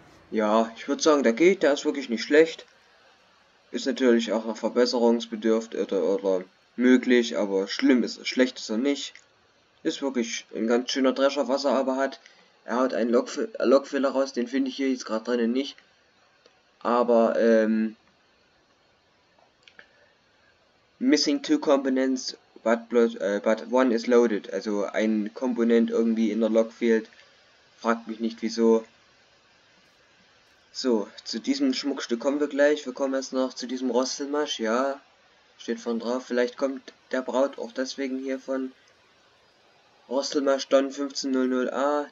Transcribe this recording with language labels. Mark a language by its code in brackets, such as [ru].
[de] Ja, ich würde sagen, der geht, der ist wirklich nicht schlecht. Ist natürlich auch noch verbesserungsbedürftig oder möglich, aber schlimm ist, schlecht ist er nicht. Ist wirklich ein ganz schöner Drescher, was er aber hat. Er hat einen Lokfehler raus, den finde ich hier jetzt gerade drinnen nicht. [en] Aber, Missing two components, but one is loaded. [de] Also ein Komponent irgendwie in der Lok fehlt. Fragt mich nicht wieso. So, zu diesem Schmuckstück kommen wir gleich. Wir kommen erst noch zu diesem Rosselmasch. Ja, steht vorne drauf. Vielleicht kommt der Braut auch deswegen hier von Rosselmasch Don 1500A.